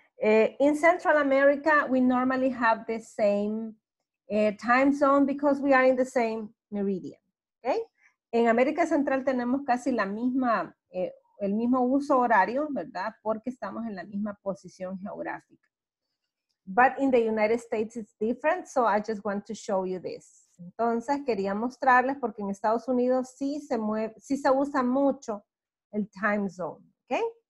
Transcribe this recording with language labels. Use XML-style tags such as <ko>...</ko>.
<en>In Central America, we normally have the same time zone because we are in the same meridian. Okay?</en> <es>En América Central tenemos casi la misma, el mismo uso horario, ¿verdad? Porque estamos en la misma posición geográfica.</es> <en>But in the United States, it's different, so I just want to show you this.</en> <es>Entonces, quería mostrarles porque en Estados Unidos sí se mueve, sí se usa mucho el time zone, okay?</es>